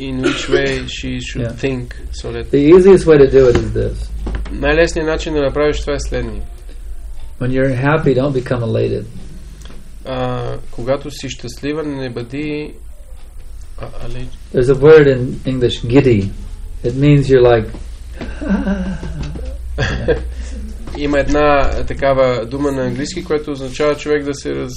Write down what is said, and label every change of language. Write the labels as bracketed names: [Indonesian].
[English] In which way she should yeah. think. So that the easiest way to do it is this. [Bulgarian] Най-лесният начин да направиш това е следния. [English] When you're happy, don't become elated. [Bulgarian] Когато си щастлива, не бъди [English] There's a word in English, giddy. It means you're like [Bulgarian] Има една такава дума на английски, която означава човек да се